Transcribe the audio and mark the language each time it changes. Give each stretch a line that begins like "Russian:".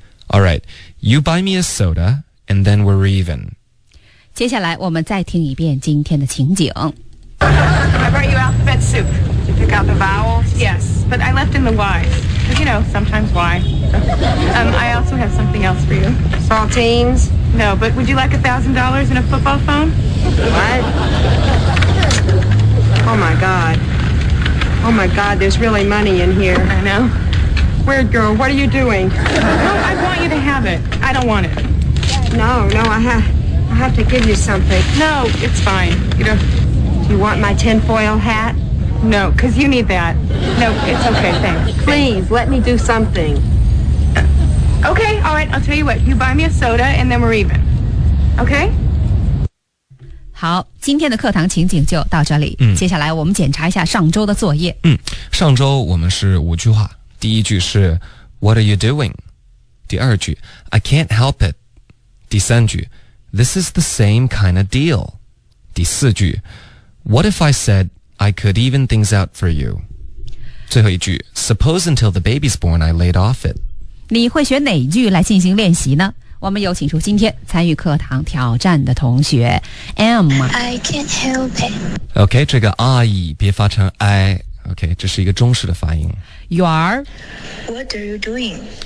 English: All right, you buy me a soda, and then we're even. 接下来我们再听一遍今天的情景。 I brought you alphabet soup. Did you pick out the vowels? Yes, but I left in the Y. Because, you know, sometimes Y. I also have something else for you. Saltines? No, but would you like $1,000 and a football phone? What? Oh, my God. Oh my God, there's really money in here. I know. Weird girl, what are you doing? No, I want you to have it. I don't want it. No, I have to give you something. No, it's fine. You know, do you want my tinfoil hat? No, because you need that. No, it's okay, thanks. Please, let me do something. Okay, all right, I'll tell you what. You buy me a soda and then we're even. Okay?
Chinese: 好，今天的课堂情景就到这里。接下来我们检查一下上周的作业。上周我们是五句话。第一句是
English: What are you doing?
Chinese: 第二句
English: I can't help it.
Chinese: 第三句
English: This is the same kind of deal.
Chinese: 第四句
English: What if I said I could even things out for you?
Chinese: 最后一句
English: Suppose until the baby's born I laid off it.
Chinese: 你会选哪句来进行练习呢？我们有请出今天参与课堂挑战的同学 M.
English: I can't help it. OK,
Chinese: 这个 I 别发成 I. OK, 这是一个中式的发音。
English: You are? What are you doing?